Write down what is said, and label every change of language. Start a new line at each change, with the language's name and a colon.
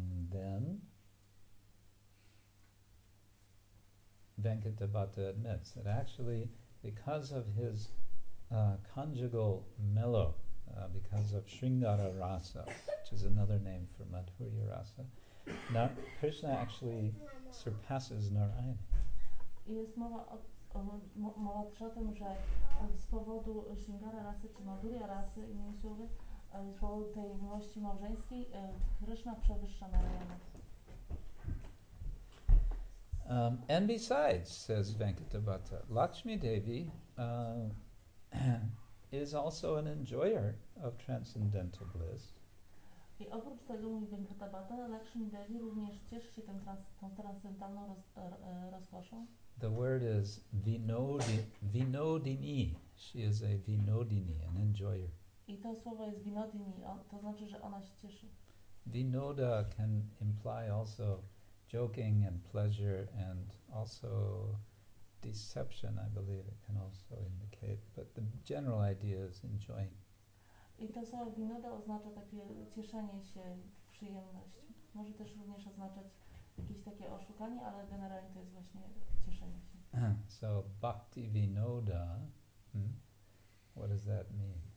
English: Then Venkata Bhatta admits that actually because of his conjugal mellow, because of Sringara Rasa, which is another name for Madhurya Rasa, now Krishna actually surpasses Narayana.
Polish: Jest mowa o tym, że z powodu Sringara Rasa czy Madhurya Rasa, innymi słowy, z powodu tej miłości małżeńskiej, Krishna przewyższa Narayana.
English: And besides, says Venkata Bhatta, Lakshmi Devi is also an enjoyer of transcendental bliss.
Polish: I oprócz tego mówi Venkata Bhatta, Lakshmi Devi również cieszy się tą transcendentalną rozkoszą.
English: The word is vinodini. She is a vinodini, an enjoyer.
Polish: I to słowo jest vinodini, to znaczy, że ona się cieszy.
English: Vinoda can imply also joking and pleasure and also deception, I believe it can also indicate, but the general idea is enjoying.
Polish: I to słowo vinoda oznacza takie cieszenie się, przyjemność. Może też również oznaczać jakieś takie oszukanie, ale generalnie to jest właśnie cieszenie się.
English: So bhakti vinoda, what does that mean?